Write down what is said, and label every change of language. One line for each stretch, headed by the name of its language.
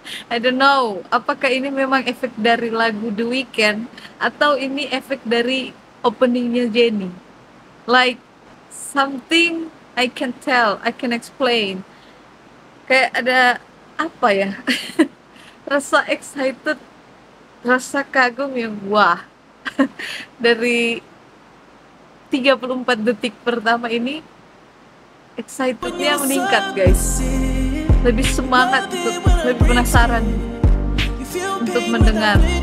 English: I don't know,
Indonesian: apakah ini memang efek dari lagu The Weeknd atau ini efek dari openingnya Jenny?
English: Like something I can tell, I can explain.
Indonesian: Kayak ada apa ya? Rasa excited, rasa kagum yang wah dari 34 detik pertama ini, excitednya meningkat guys. Lebih semangat untuk, lebih penasaran untuk mendengar.